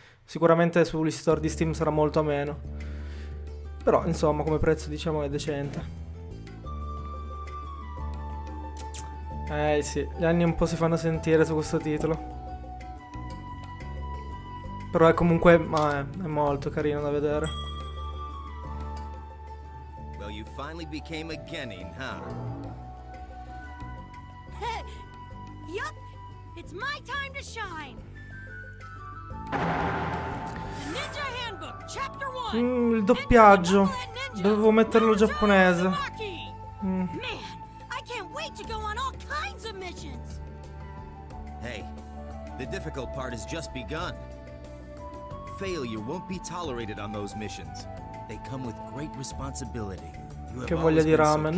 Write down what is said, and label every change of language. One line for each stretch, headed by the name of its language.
Italian: Sicuramente sugli store di Steam sarà molto a meno. Però, insomma, come prezzo diciamo è decente. Eh sì, gli anni un po' si fanno sentire su questo titolo. Però è comunque, ma è molto carino da vedere.
English: Well, you finally became a Genin, huh? Yup, it's my time to shine. Ninja Handbook, chapter 1.
Italian: Il doppiaggio. Dovevo metterlo giapponese.
English: Man, I can't wait to go on all kinds of missions. Hey, the difficult part has just begun. Failure won't be tolerated on those missions. They come with great responsibility. You have always been so